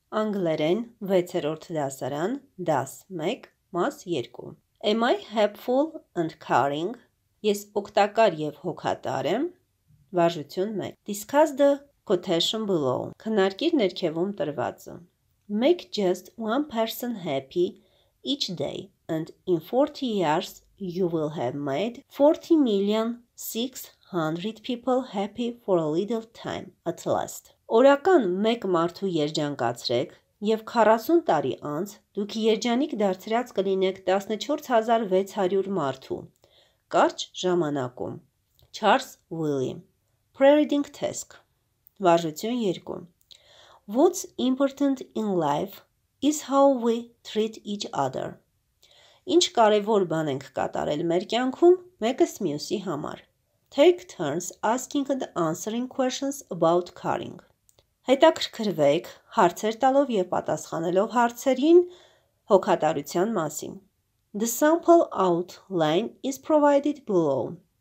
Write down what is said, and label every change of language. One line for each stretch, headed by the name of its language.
Armenian: Անգլերեն 6-րդ դասարան, դաս 1, մաս 2.
English: Am I helpful and caring?
Armenian: Ես օգտակար եւ հոգատար եմ. Վարժություն 1.
English: Discuss the quotation below.
Armenian: Քննարկիր ներքևում տրվածը.
English: Make just one person happy each day and in 40 years you will have made 40,600 people happy for a little time at last.
Armenian: Օրական մեկ մարդու երջանկացրեք եւ 40 տարի անց դուք երջանիկ դարձրած կլինեք 14,600 մարդու կարճ ժամանակում։ Չարլզ Ուիլի
English: Pre-reading task.
Armenian: Վարժություն 2.
English: What's important in life is how we treat each other.
Armenian: Ինչ կարևոր բան ենք կատարել մեր կյանքում մեկս մյուսի համար։
English: Take turns asking and answering questions about caring.
Armenian: Հետաքրքրվեք հարցեր տալով եւ պատասխանելով հարցերին հոգատարության մասին։
English: The sample outline is provided below.